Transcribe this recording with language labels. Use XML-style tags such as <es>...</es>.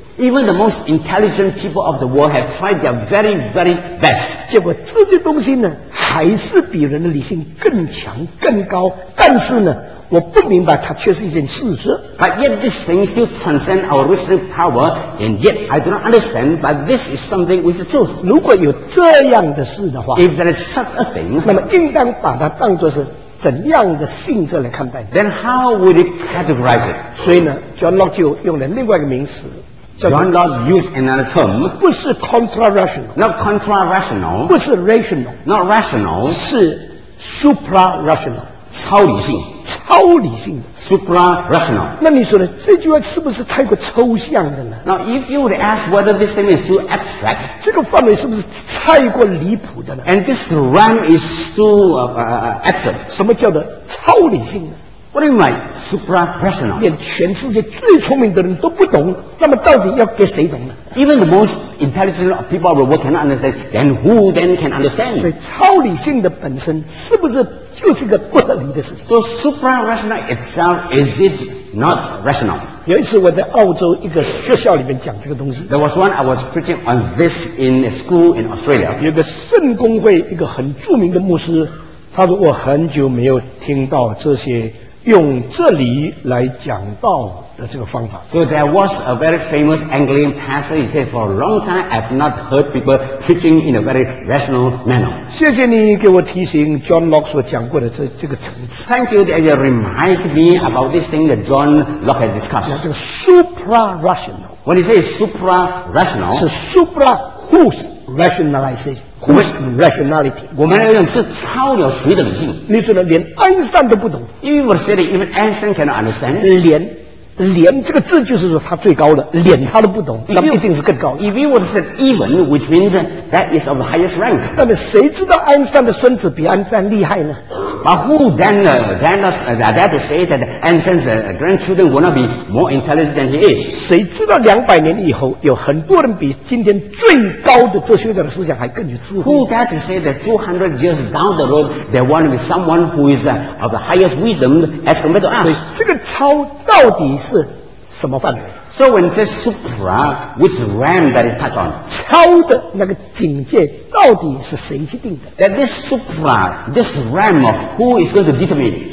<en>Even the most intelligent people of the world have tried their very, very best.</en> <zh>结果这些东西呢, 还是比人的理性更强更高, 但是呢, 我不明白它却是一件事实。</zh> <en>But yet this thing still transcends our reasoning power, and yet I do not understand, but this is something which is truth.</en> <zh>如果有这样的事的话,</zh> <en>if there is such a thing,</en> <zh>那么应当把它当作是怎样的性质来看待,</zh> <en>then how would it categorize it?</en> <zh>所以呢, John Locke就用了另外一个名词,</zh> <en>John Locke used another term,</en> <zh>不是 contra-rational,</zh> <en>not contra-rational,</en> <zh>不是 rational,</zh> <en>not rational,</en> <zh>是 supra-rational, 超理性, 超理性,</zh> <en>supra rational.</en> <zh>那你说呢, 这句话是不是太过抽象的呢?</zh> <en>Now if you would ask whether this thing is too abstract,</en> <zh>这个范围是不是太过离谱的呢?</zh> <en>And this realm is too absurd.</en> <zh>什么叫做超理性呢?</zh> <en>What do you mean by suprarational?</en> <zh>连全世界最聪明的人都不懂，那么到底要给谁懂呢？</zh> <en>Even the most intelligent people of the world cannot understand, then who then can understand?</en> <zh>所以超理性的本身是不是就是一个不合理的事情？</zh> <en>So suprarational itself, is it not rational?</en> <zh>有一次我在澳洲一个学校里面讲这个东西。</zh> <en>There was one I was preaching on this in a school in Australia.</en> <zh>有个圣公会一个很著名的牧师，他说我很久没有听到这些用这里来讲道的这个方法。</zh> <en>So there was a very famous Anglican pastor. He said, for a long time, I've not heard people preaching in a very rational manner.</en> <zh>谢谢你给我提醒 John Locke 所讲过的这个层次。</zh> <en>Thank you that you remind me about this thing that John Locke had discussed.</en> <zh>叫做 supra-rational.</zh> <en>When he says supra-rational, 是 supra who's rationalization. With rationality,</en> <zh>我们来讲是超了谁的理性？你说的连爱因斯坦都不懂。</zh> <en>Even said even Einstein cannot understand.</en> <zh>连这个字就是说他最高的，连他都不懂，那一定是更高。</zh> <en>If you would said even, which means that is of the highest rank.</en> <zh>那么谁知道爱因斯坦的孙子比爱因斯坦厉害呢？</zh> <en>But who then that to say that Einstein's grandchildren will not be more intelligent than he is?</en> <zh>谁知道两百年以后有很多人比今天最高的哲学家的思想还更有智慧？</zh> <en>Who that to say that 200 years down the road there will be someone who is of the highest wisdom as compared to us?</en> <zh>所以这个超到底是什么范围？</zh> <en>So when it says supra, which realm that is touched on?</en> <zh>超的那个境界到底是谁去定的？</zh> <en>That this supra, this realm, who is going to determine?</en>